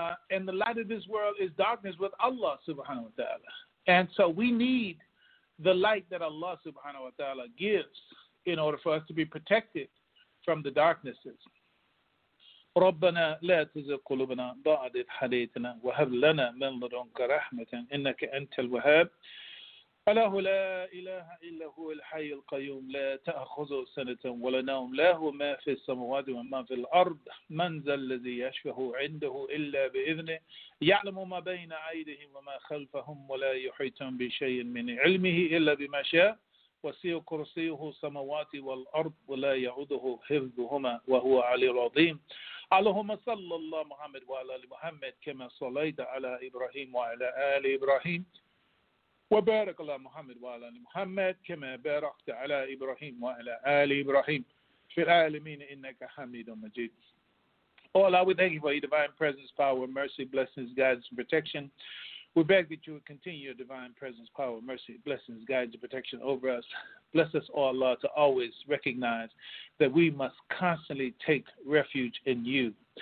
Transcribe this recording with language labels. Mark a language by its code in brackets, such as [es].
[en] And the light of this world is darkness with Allah subhanahu wa ta'ala. And so we need the light that Allah subhanahu wa ta'ala gives in order for us to be protected from the darknesses. [ar] ربنا لا تزغ قلوبنا بعد إذ هديتنا وهب لنا من لدنك رحمة إنك أنت الوهاب. له لا إله إلا هو الحي القيوم لا تأخذه سنة ولا نوم له ما في السماوات وما في الأرض من ذا الذي يشفع عنده إلا بإذنه يعلم ما بين أيديهم وما خلفهم ولا يحيطون بشيء من علمه إلا بما شاء وسع كرسيه السماوات والأرض ولا يعوده حفظهما وهو العلي العظيم اللهم صل الله محمد وعلى آل محمد كما صليت على إبراهيم وعلى آل إبراهيم وبارك الله محمد وعلى آل محمد كما باركت على إبراهيم وعلى آل إبراهيم في العالمين إنك حميد مجيد. [en] All Allah, we thank you for your divine presence, power, mercy, blessings, guidance, and protection. We beg that you would continue your divine presence, power, mercy, blessings, guidance, and protection over us. Bless us, O Allah, to always recognize that we must constantly take refuge in you.